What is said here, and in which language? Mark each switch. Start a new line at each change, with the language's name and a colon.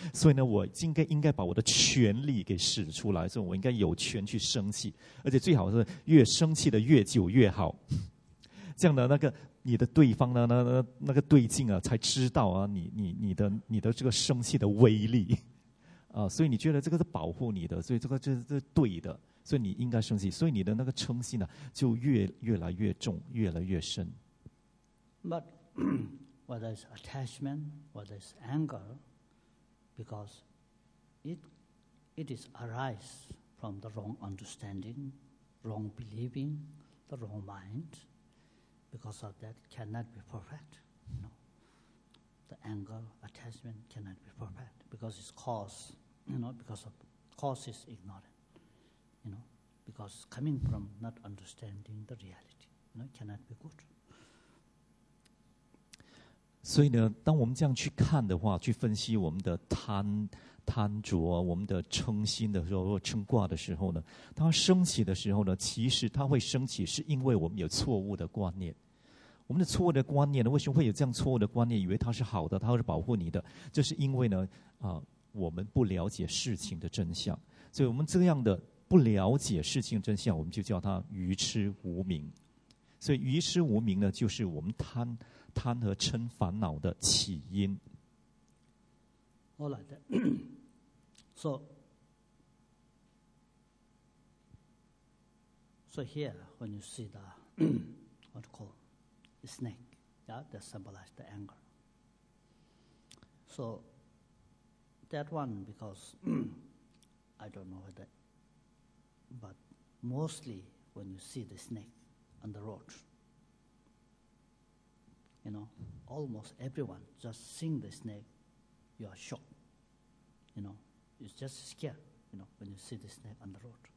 Chinese: 所以呢，我应该把我的权力给使出来，所以我应该有权去生气，而且最好是越生气的越久越好。这样的那个。你的对方呢？那个对境啊，才知道啊，你的这个生气的威力，啊，所以你觉得这个是保护你的，所以这个对的，所以你应该生气，所以你的那个嗔心呢，就越来越重，越来越深。
English: But whether it's attachment, whether it's anger, because it is arise from the wrong understanding, wrong believing, the wrong mind. Because of that, cannot be perfect. You know, the anger, attachment cannot be perfect because it's cause. You know, because of cause is ignorant. You know, because coming from not understanding the reality, you know, cannot be good.
Chinese: 所以呢，当我们这样去看的话，去分析我们的贪着，我们的嗔心的时候，或嗔挂的时候呢，它升起的时候呢，其实它会升起，是因为我们有错误的观念。我们的错误的观念呢，为什么会有这样错误的观念？以为它是好的，它是保护你的，这是因为呢，我们不了解事情的真相。所以我们这样的不了解事情真相，我们就叫它愚痴无明。所以愚痴无明呢，就是我们贪和嗔烦恼的起因。
English: All right, so here when you see the what call. Snake, yeah, that symbolizes the anger. So, that one, because I don't know that, but mostly when you see the snake on the road, you know, almost everyone just seeing the snake, you are shocked, you know, you're just scared, you know, when you see the snake on the road.